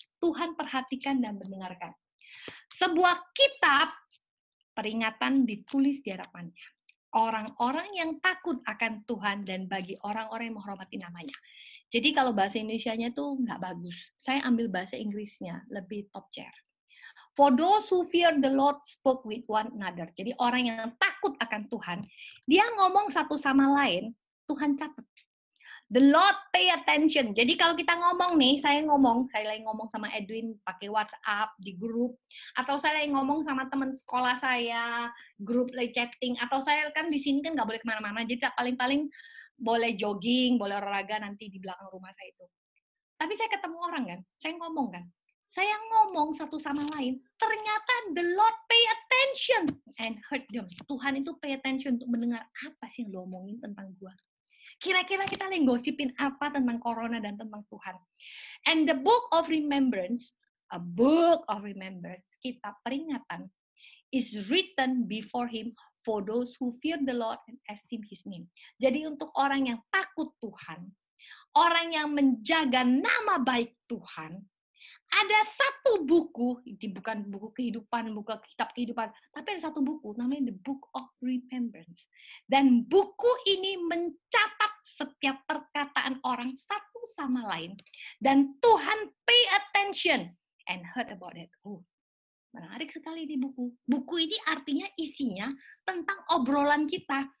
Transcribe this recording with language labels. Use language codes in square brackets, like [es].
[id] Tuhan perhatikan dan mendengarkan. Sebuah kitab peringatan ditulis di hadapannya. Orang-orang yang takut akan Tuhan dan bagi orang-orang yang menghormati namanya. Jadi kalau bahasa Indonesianya tuh nggak bagus. Saya ambil bahasa Inggrisnya, lebih top chair. [en] For those who fear the Lord spoke with one another. [id] Jadi orang yang takut akan Tuhan, dia ngomong satu sama lain, Tuhan catat. [en] The Lord pay attention. [id] Jadi kalau kita ngomong nih, saya lagi ngomong sama Edwin pakai WhatsApp di grup, atau saya lagi ngomong sama teman sekolah saya, grup lagi chatting, atau saya kan di sini kan nggak boleh kemana-mana, jadi paling-paling boleh jogging, boleh olahraga nanti di belakang rumah saya itu. Tapi saya ketemu orang kan, saya ngomong kan. Saya ngomong satu sama lain, ternyata [en] the Lord pay attention and heard them. [id] Tuhan itu [en] pay attention [id] untuk mendengar apa sih yang lo omongin tentang gua. Kira-kira kita lagi gosipin apa tentang corona dan tentang Tuhan. [en] And the book of remembrance, a book of remembrance, [id] kitab peringatan, [en] is written before him for those who fear the Lord and esteem his name. [id] Jadi untuk orang yang takut Tuhan, orang yang menjaga nama baik Tuhan, ada satu buku, bukan buku kehidupan, buka kitab kehidupan, tapi ada satu buku, namanya [en] The Book of Remembrance. [id] Dan buku ini mencatat setiap perkataan orang satu sama lain. Dan Tuhan [en] pay attention and heard about it. [id] Oh, menarik sekali ini buku. Buku ini artinya isinya tentang obrolan kita.